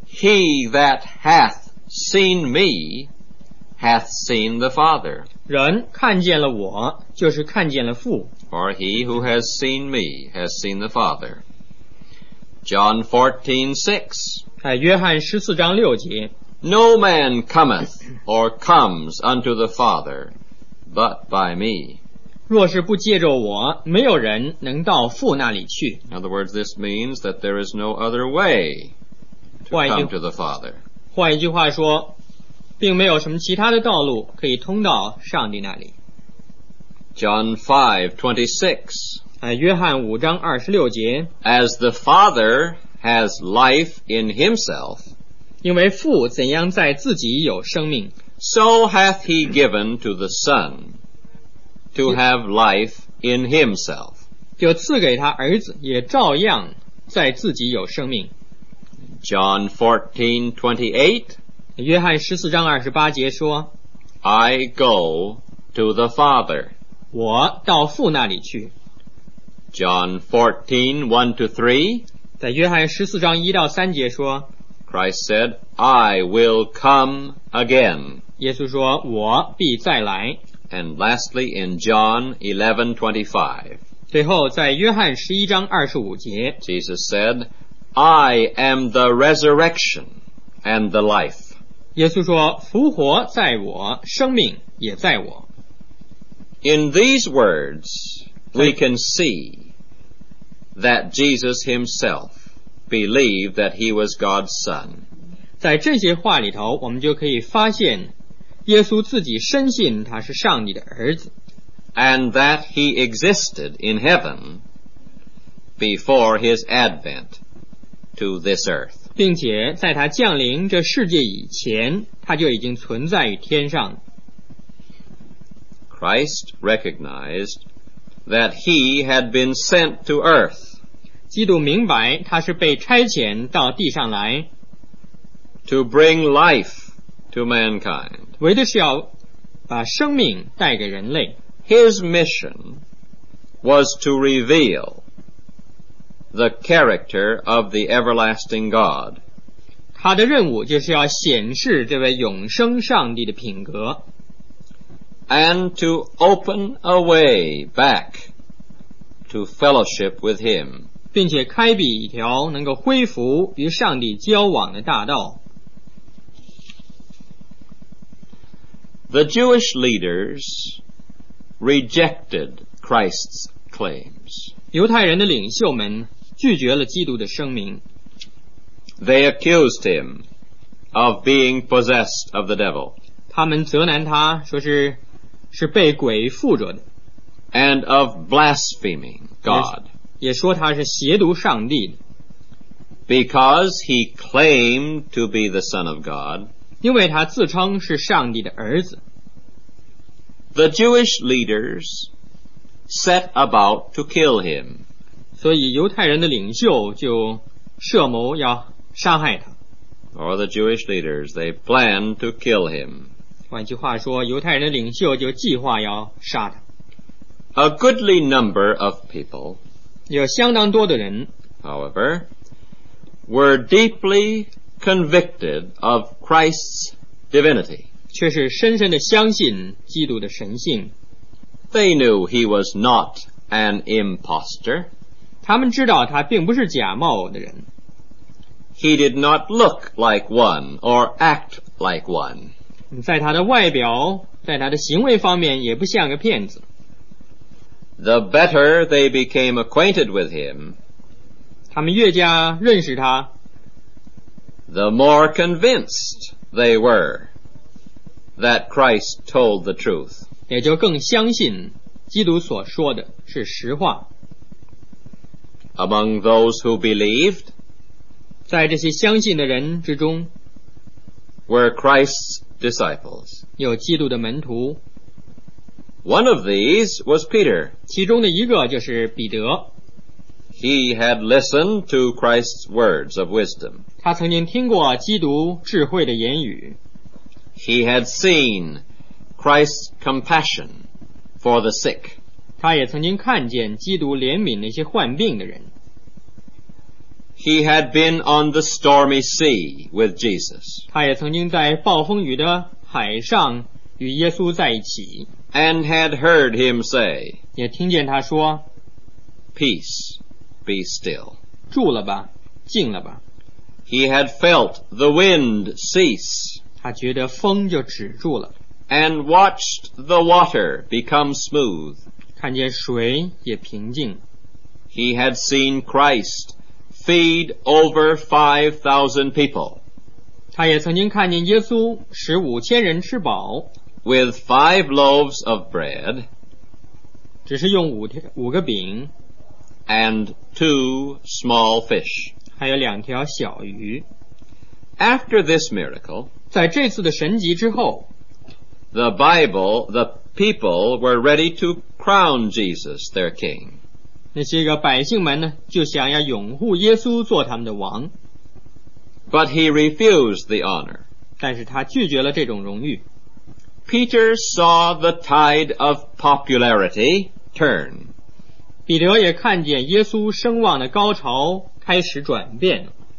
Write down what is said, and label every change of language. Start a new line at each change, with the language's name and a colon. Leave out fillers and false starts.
English: He that hath seen me hath seen the Father.
Chinese: 人看见了我就是看见了父。
English: For he who has seen me has seen the Father. John 14:6.
Chinese: 约翰十四章六节。
English: No man cometh or comes unto the Father but by me.
Chinese: 若是不借着我，没有人能到父那里去。
English: In other words, this means that there is no other way to come to the Father.
Chinese: 换一句话说，并没有什么其他的道路可以通到上帝那里。
English: John 5:26.
Chinese: 约翰五章二十六节。
English: As the Father has life in himself,
Chinese: 因为父怎样在自己有生命，
English: so hath he given to the Son to have life in himself.
Chinese: 就赐给他儿子也照样在自己有生命。
English: John 14:28.
Chinese: 约翰十四章二十八节说，
English: I go to the Father.
Chinese: 我到父那里去。
English: John 14:1-3.
Chinese: 在约翰十四章一到三节说，
English: Christ said, I will come again.
Chinese: 耶稣说我必再来。
English: And lastly in John 11:25.
Chinese: 最后在约翰十一章二十五节，
English: Jesus said, I am the resurrection and the life.
Chinese: 耶稣说复活在我，生命也在我。
English: In these words, we can see that Jesus himself believed that he was God's son.
Chinese: 在这些话里头，我们就可以发现耶稣自己深信他是上帝的儿子。
English: And that he existed in heaven before his advent to this earth.
Chinese: 并且在他降临这世界以前，他就已经存在于天上。
English: Christ recognized that he had been sent to earth.
Chinese: 基督明白他是被差遣到地上来。
English: To bring life to mankind.
Chinese: 为的是要把生命带给人类。
English: His mission was to reveal the character of the everlasting God.
Chinese: 他的任务就是要显示这位永生上帝的品格。
English: And to open a way back to fellowship with him.
Chinese: 并且开辟一条能够恢复与上帝交往的大道。
English: The Jewish leaders rejected Christ's claims.
Chinese: 犹太人的领袖们拒绝了基督的声明。
English: They accused him of being possessed of the devil.
Chinese: 他们责难他说是是被鬼附着的。
English: And of blaspheming God.
Chinese: 也说他是亵渎上帝的。
English: Because he claimed to be the Son of God.
Chinese: 因为他自称是上帝的儿子。
English: The Jewish leaders set about to kill him.
Chinese: 所以犹太人的领袖就设谋要杀害他。
English: Or the Jewish leaders, they planned to kill him.
Chinese: 换句话说，犹太人的领袖就计划要杀他。
English: A goodly number of people,
Chinese: 有相当多的人
English: however, were deeply convicted of Christ's divinity.
Chinese: 却是深深地相信基督的神性。
English: They knew he was not an impostor.
Chinese: 他们知道他并不是假冒的人。
English: He did not look like one or act like one.
Chinese: 在他的外表，在他的行为方面也不像个骗子。
English: The better they became acquainted with him,
Chinese: 他们越加认识他,
English: the more convinced they were that Christ told the truth.
Chinese: 也就更相信基督所说的是实话。
English: Among those who believed,
Chinese: 在这些相信的人之中,
English: were Christ's disciples.
Chinese: 有基督的门徒。
English: One of these was Peter.
Chinese: 其中的一个就是彼得。
English: He had listened to Christ's words of wisdom.
Chinese: 他曾经听过基督智慧的言语。
English: He had seen Christ's compassion for the sick.
Chinese: 他也曾经看见基督怜悯那些患病的人。
English: He had been on the stormy sea with Jesus.
Chinese: 他也曾经在暴风雨的海上与耶稣在一起。
English: And had heard him say,
Chinese: 也听见他说,
English: Peace, be still.
Chinese: 住了吧,静了吧。
English: He had felt the wind cease,
Chinese: 他觉得风就止住了。
English: And watched the water become smooth,
Chinese: 看见水也平静。
English: He had seen Christ feed over 5,000 people.
Chinese: 他也曾经看见耶稣使五千人吃饱。
English: With 5 loaves of bread,
Chinese: 只是用 五个饼
English: and 2 small fish,
Chinese: 还有两条小鱼。
English: After this miracle,
Chinese: 在这次的神迹之后,
English: the people were ready to crown Jesus their king.
Chinese: 那些个百姓们呢，就想要拥护耶稣做他们的王。
English: But he refused the honor.
Chinese: 但是他拒绝了这种荣誉。
English: Peter saw the tide of popularity turn.
Chinese: 彼得也看见耶稣声望的高潮开始转变。